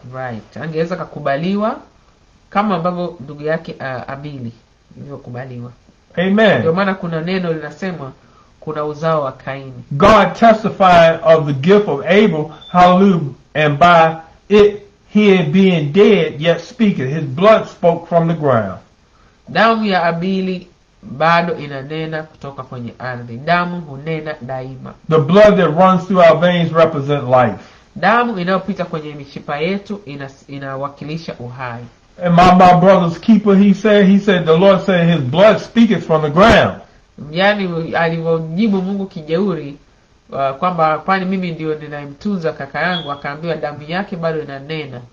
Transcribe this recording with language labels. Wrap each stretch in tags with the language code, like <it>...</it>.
<en>Right.</en> <sw>Angeweza kukubaliwa kama ambavyo ndugu yake Abili ilivyokubaliwa. Amen. Ndio maana kuna neno linasema kuna uzao wa Kaini.</sw> <en>God testified of the gift of Abel, hallelujah, and by it he being dead yet speaking, his blood spoke from the ground.</en> <sw>Damu ya Abili bado inanena kutoka kwenye ardhi. Damu hunena daima.</sw> <en>The blood that runs through our veins represent life.</en> <sw>Damu inayopita kwenye mishipa yetu inawakilisha uhai.</sw> <en>And my brother's keeper, he said the Lord said his blood speaketh from the ground.</en> <sw>Yani alivyojibu Mungu kijeuri kwamba pani mimi ndio ninayemtunza kaka yangu, akaambiwa damu yake bado inanena.</sw>